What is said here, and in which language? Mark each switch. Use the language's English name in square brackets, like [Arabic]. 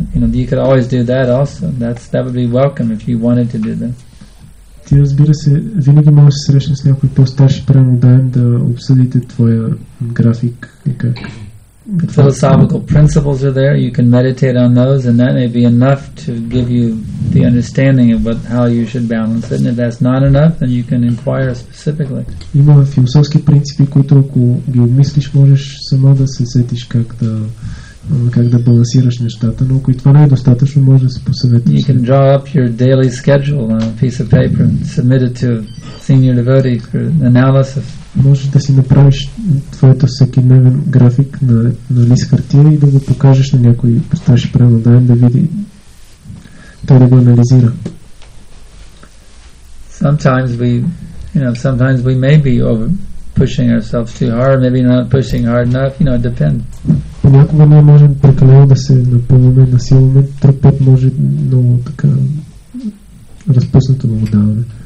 [English] And, you know, you could always do that also. That would be welcome if you wanted to do that. [Bulgarian] Ти, разбира се, винаги можеш да се срещнеш с някой по-старши преподаватели да обсъдите твоя график и как. [English] The philosophical principles are there. You can meditate on those, and that may be enough to give you the understanding of how you should balance it. And if that's not enough, then you can inquire specifically. [Bulgarian] Има философски принципи, които ако ги обмислиш, можеш само да се сетиш как да балансираш нещата. Но ако и това не е достатъчно, може да се посъветиш. [English] You can draw up your daily schedule on a piece of paper and submit it to a senior devotee for analysis. [Bulgarian] Можеш да си направиш твоето всекидневен график на лист хартия и да го покажеш на някой старши преподаватели да види, той да го анализира. [English] Sometimes we, you know, sometimes we may be over pushing ourselves too hard, maybe not pushing hard enough, you know, it depends. [Bulgarian] Понякога ние можем прекалено да се напълваме, насилваме, друг път може много така разпуснато да го даваме.